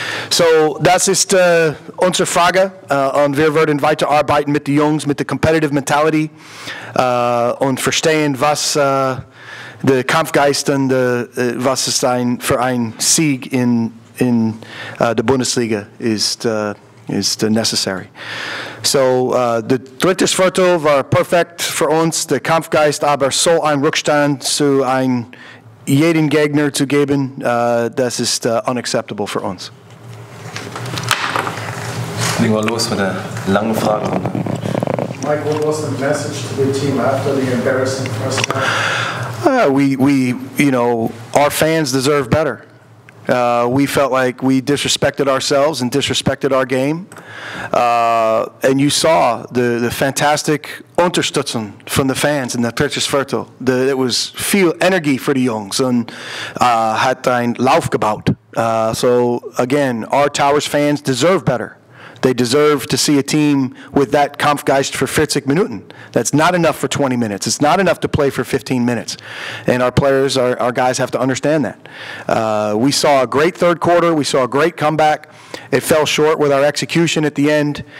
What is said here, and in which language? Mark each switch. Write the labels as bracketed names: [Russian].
[German] So, das ist unsere Frage und wir werden weiter arbeiten mit den Jungs, mit der Competitive Mentality und verstehen, was der Kampfgeist und was ist für ein Sieg in der Bundesliga ist necessary. So, der dritte Viertel war perfekt für uns, der Kampfgeist, aber so ein Rückstand zu jedem Gegner zu geben, das ist unacceptable für uns. Legen wir los mit der langen Frage. [English] Mike, what was the message to the team after the embarrassing first half? Our fans deserve better. We felt like we disrespected ourselves and disrespected our game. And you saw the fantastic Unterstützung from the fans in the [German] Tertius Viertel. [English] It was [German] viel Energie für die Jungs und hat ein Lauf gebaut. [English] So again, our Towers fans deserve better. They deserve to see a team with that Kampfgeist for 40 Minuten. That's not enough for 20 minutes. It's not enough to play for 15 minutes. And our players, our guys have to understand that. We saw a great third quarter. We saw a great comeback. It fell short with our execution at the end.